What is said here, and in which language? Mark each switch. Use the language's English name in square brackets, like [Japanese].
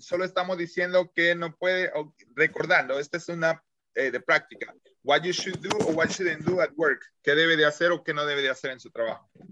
[Spanish] Solo estamos diciendo que no puede, recordando, esta es una de práctica. [English] What you should do or what shouldn't do at work. [Spanish] ¿Qué debe de hacer o qué no debe de hacer en su trabajo?